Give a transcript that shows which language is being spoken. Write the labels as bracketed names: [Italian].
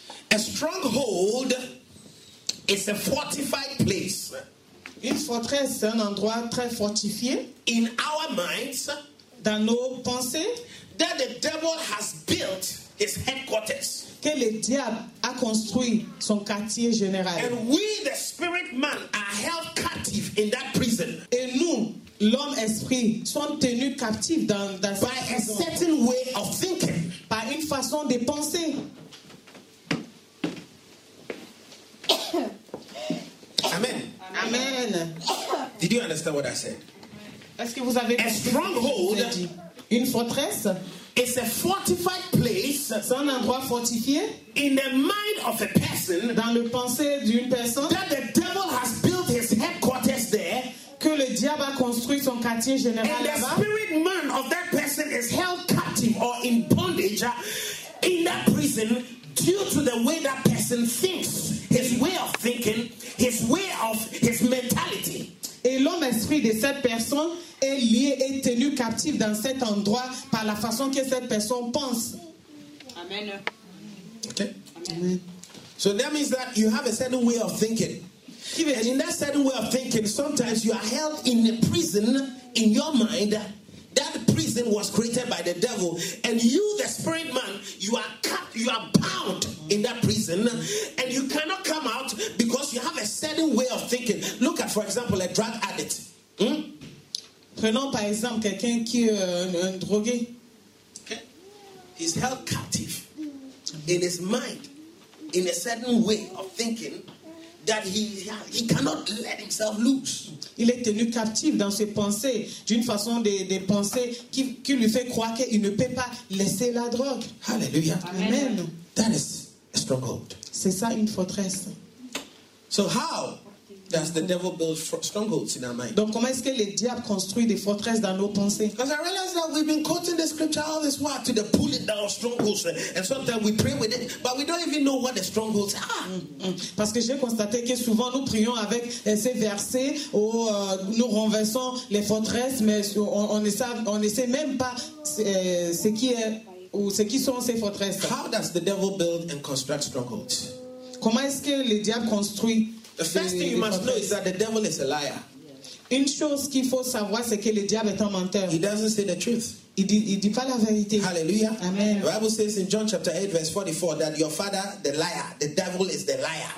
[English] A stronghold is a fortified place. [French] Une forteresse, c'est un endroit très fortifié. [English] In our minds, [French] dans nos pensées, [English] that the devil has built his headquarters. [French] Que le diable a construit son quartier général. [English] And we, the spirit man, are held captive in that prison. [French] Et nous, l'homme esprit, sont tenus captifs dans cette prison. [English] By a certain way of thinking. [French] Par une façon de penser. Amen. Amen. [English] Did you understand what I said? [French] Est-ce que vous avez [English] a stronghold, [French] une forteresse, [English] is a fortified place, [French] c'est un endroit fortifié, [English] in the mind of a person, [French] dans le pensée d'une personne, [English] that the devil has built his headquarters there, [French] que le diable a construit son quartier général là-bas, [English] and the spirit man of that person is held captive or in bondage in that prison due to the way that person thinks, his way of thinking, his way of his mentality. [French] Et l'homme esprit de cette personne est lié et tenu captif dans cet endroit par la façon que cette personne pense. Amen. Okay. Amen. [English] So that means that you have a certain way of thinking. And in that certain way of thinking, sometimes you are held in a prison in your mind. That prison was created by the devil. And you, the spirit man, you are bound in that prison. And you cannot come out because you have a certain way of thinking. Look at, for example, a drug addict. [French] Prenons par exemple quelqu'un qui est un drogué. [English] Okay. He's held captive in his mind in a certain way of thinking that he cannot let himself loose. [French] Il est tenu captif dans ses pensées, d'une façon de penser qui lui fait croire qu'il ne peut pas laisser la drogue. Alléluia. Amen. Amen. [English] That is a stronghold. [French] C'est ça une forteresse. [English] So how does the devil build strongholds in our mind? [French] Donc comment est-ce que le diable construit des forteresses dans nos pensées? [English] Because I realize that we've been quoting the scripture all this while to the pulling down strongholds, and sometimes we pray with it, but we don't even know what the strongholds are. [French] Parce que j'ai constaté que souvent nous prions avec ces versets où nous renversons les forteresses, mais on ne sait même pas ce qui sont ces forteresses. [English] How does the devil build and construct strongholds? [French] Comment est-ce que le diable construit? [English] The first thing you must know is that the devil is a liar. [French] Une chose qu'il faut savoir, c'est que le diable est un menteur. [English] He doesn't say the truth. [French] Il dit pas la vérité. Hallelujah. Amen. [English] The Bible says in John chapter 8 verse 44 that your father, the liar, the devil is the liar.